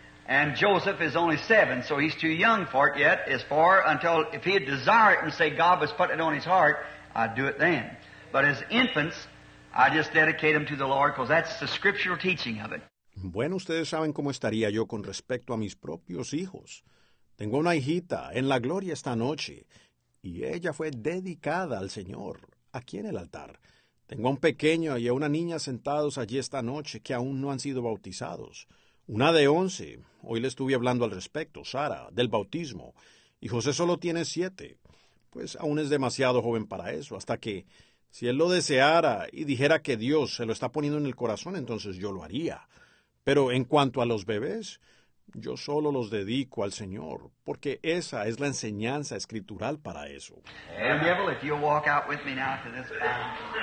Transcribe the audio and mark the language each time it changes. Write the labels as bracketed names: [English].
[English] And Joseph is only 7, so he's too young for it yet. As far until if he had desired it and say God was putting it on his heart, I'd do it then. But as infants, I just dedicate them to the Lord because that's the scriptural teaching of it. [Spanish] Bueno, ustedes saben cómo estaría yo con respecto a mis propios hijos. Tengo una hijita en la gloria esta noche, y ella fue dedicada al Señor, aquí en el altar. Tengo a un pequeño y a una niña sentados allí esta noche que aún no han sido bautizados. Una de 11, hoy le estuve hablando al respecto, Sara, del bautismo, y José solo tiene 7, pues aún es demasiado joven para eso, hasta que, si él lo deseara y dijera que Dios se lo está poniendo en el corazón, entonces yo lo haría. Pero en cuanto a los bebés, yo solo los dedico al Señor, porque esa es la enseñanza escritural para eso. [English] And devil, if you'll walk out with me now to this bound.